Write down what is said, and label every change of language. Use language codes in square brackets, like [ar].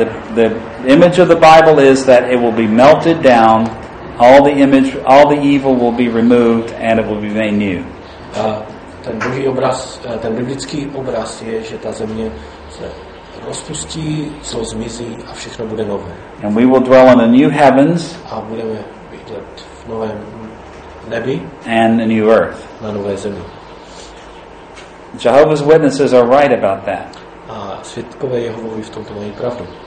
[en] The image of the Bible is that it will be melted down. All the evil will be removed, and it will be made new. [cs] Ten boží obraz, ten biblický obraz je, že ta země se rozpustí, zlo zmizí a všechno bude nové. [en] And we will dwell in the new heavens. [cs] A budeme bydlet v novém nebi. [en] And a new earth. [cs] Na nové zemi. [en] Jehovah's Witnesses are right about that. [cs] A svědkové Jehovovi v tomto mají pravdu.